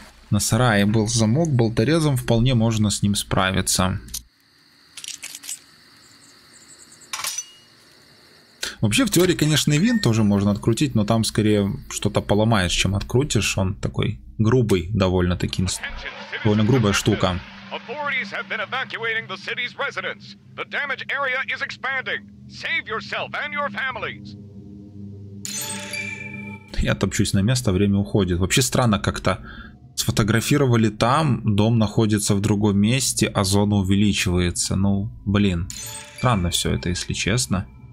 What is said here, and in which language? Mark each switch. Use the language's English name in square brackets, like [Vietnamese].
[Russian] На сарае был замок, болторезом вполне можно с ним справиться. Вообще, в теории, конечно, и винт тоже можно открутить, но там скорее что-то поломаешь, чем открутишь. Он такой грубый довольно-таки, довольно грубая штука. [English] Authorities have been evacuating the city's residents. The damage area is expanding. Save yourself and your families. [Russian] Я топчусь на место, время уходит. Вообще странно как-то. Сфотографировали там, дом находится в другом месте, а зона увеличивается. Ну, блин, странно все это, если честно.